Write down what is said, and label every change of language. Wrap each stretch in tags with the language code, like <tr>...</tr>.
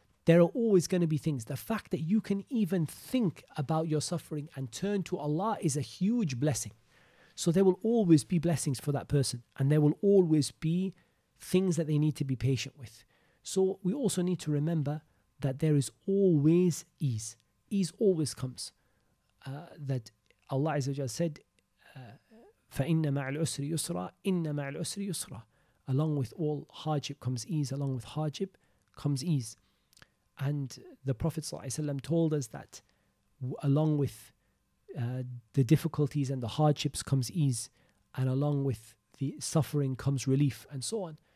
<en>There are always going to be things. The fact that you can even think about your suffering and turn to Allah is a huge blessing. So there will always be blessings for that person, and there will always be things that they need to be patient with. So we also need to remember that there is always ease. Ease always comes. That Allah Azza wa Jalla said,</en> <ar>فَإِنَّ مَعَ الْعُسْرِ يُسْرًا إِنَّ مَعَ الْعُسْرِ يُسْرًا.</ar> <en>Along with all hardship comes ease, along with hardship comes ease. And the Prophet ﷺ told us that along with the difficulties and the hardships comes ease, and along with the suffering comes relief, and so on.</en>